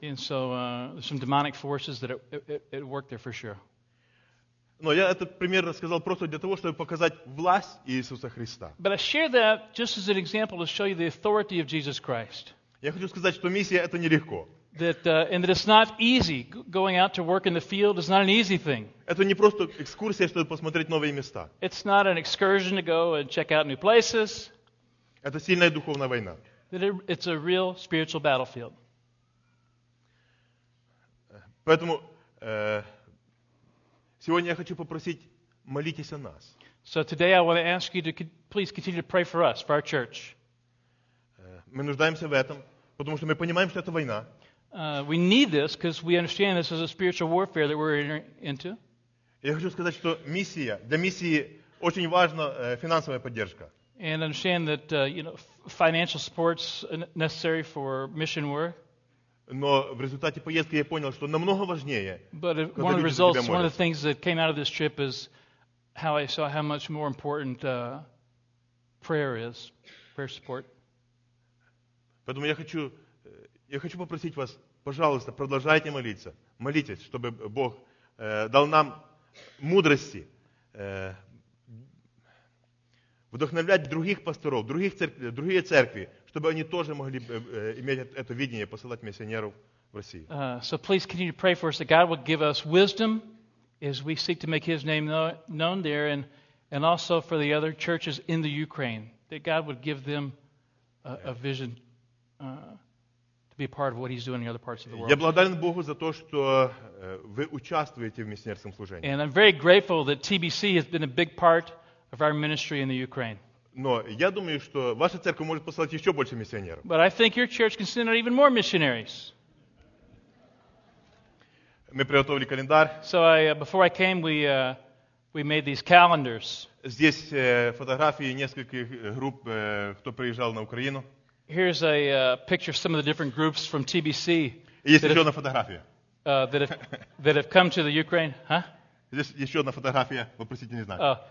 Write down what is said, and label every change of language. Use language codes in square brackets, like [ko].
[en] And so there's some demonic forces that it worked there for sure. [ru] Но я этот пример рассказал просто для того, чтобы показать власть Иисуса Христа. [en] But I share that just as an example to show you the authority of Jesus Christ. [ru] Я хочу сказать, что миссия это нелегко. [en] That it's not easy going out to work in the field is not an easy thing. [ru] Это не просто экскурсия, чтобы посмотреть новые места. [en] It's not an excursion to go and check out new places. [ru] Это сильная духовная война. [en] That it's a real spiritual battlefield. [ru] Поэтому сегодня я хочу попросить, молитесь о нас. [en] So today I want to ask you to please continue to pray for us, for our church. [ru] Мы нуждаемся в этом, потому что мы понимаем, что это война. [en] We need this because we understand this is a spiritual warfare that we're entering into. [ru] Я хочу сказать, что миссия, для миссии очень важна финансовая поддержка. [en] And understand that you know, financial support's necessary for mission work. [ru] Но в результате поездки я понял, что намного важнее. [en] But one of the results, one of the things that came out of this trip is how I saw how much more important prayer is, prayer support. [ru] Поэтому я хочу попросить вас, пожалуйста, продолжайте молиться. Молитесь, чтобы Бог дал нам мудрости вдохновлять других пасторов, другие церкви, чтобы они тоже могли иметь это видение, посылать миссионеров в Россию. [en] So please continue to pray for us that God will give us wisdom as we seek to make His name known there, and also for the other churches in the Ukraine, that God would give them a vision to be a part of what He's doing in the other parts of the world. [ru] Я благодарен Богу за то, что вы участвуете в миссионерском служении. [en] And I'm very grateful that TBC has been a big part of our ministry in the Ukraine. [ru] Но я думаю, что ваша церковь может послать еще больше миссионеров. [en] But I think your church can send out even more missionaries. [ru] Мы приготовили календарь. [en] So before I came, we made these calendars. [ru] Здесь фотографии нескольких групп, кто приезжал на Украину. [en] Here's a picture of some of the different groups from TBC. [ru] Есть еще одна фотография. [en] That have come to the Ukraine, huh? [ru] Здесь еще одна фотография, вопросительный знак.